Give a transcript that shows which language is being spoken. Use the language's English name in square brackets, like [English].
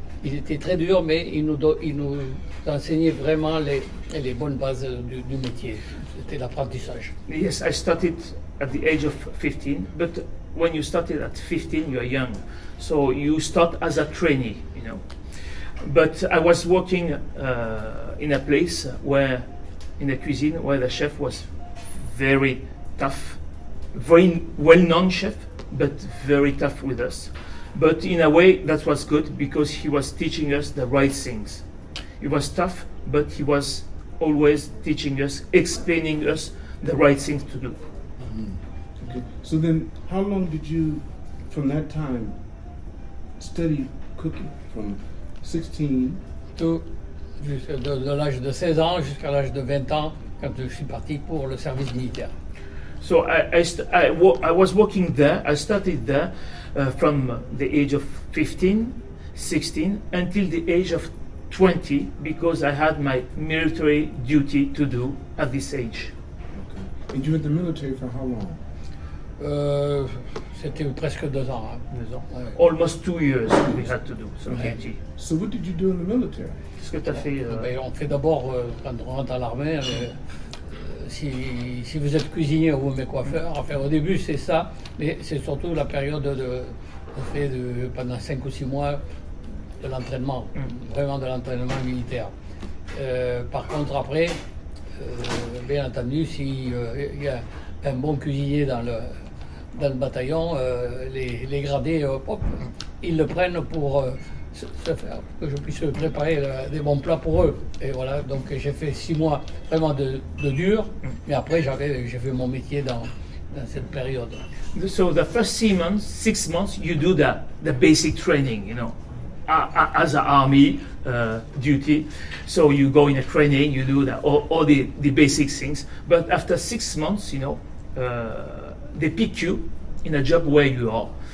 [French] Il était très dur, mais il nous enseignait vraiment les bonnes bases du métier. C'était l'apprentissage. [English] Yes, I started at the age of 15, but when you started at 15, you are young, so you start as a trainee, you know. But I was working in a place where, in a cuisine, where the chef was very tough, very well-known chef, but very tough with us. But in a way, that was good because he was teaching us the right things. He was tough, but he was always teaching us, explaining us the right things to do. Mm-hmm. Okay. So then, how long did you, from that time, study cooking from 16? [French] De l'âge de 16 ans jusqu'à l'âge de 20 ans, quand je suis parti pour le service militaire. [English] So I was working there, I started there from the age of 15, 16, until the age of 20, because I had my military duty to do at this age. Okay. And you were in the military for how long? [French] C'était presque deux ans. Hein. Deux ans. [English] Ouais. Almost 2 years we had to do some okay. Duty. So what did you do in the military? [French] Qu'est-ce que t'as fait? On fait d'abord, quand on rentre à l'armée, Si vous êtes cuisinier ou mes coiffeurs, enfin, au début c'est ça, mais c'est surtout la période de pendant 5 ou 6 mois de l'entraînement, vraiment de l'entraînement militaire. Par contre après, bien entendu, s'il y a un bon cuisinier dans le bataillon, les gradés, hop, ils le prennent pour se faire, que je puisse préparer des bons plats pour eux. Et voilà, donc j'ai fait 6 mois vraiment de dur, mais après j'ai fait mon métier dans cette période. [English] So the first 6 months, you do the basic training, you know, as an army duty. So you go in a training, you do all the basic things. But after 6 months, you know, they pick you in a job where you are.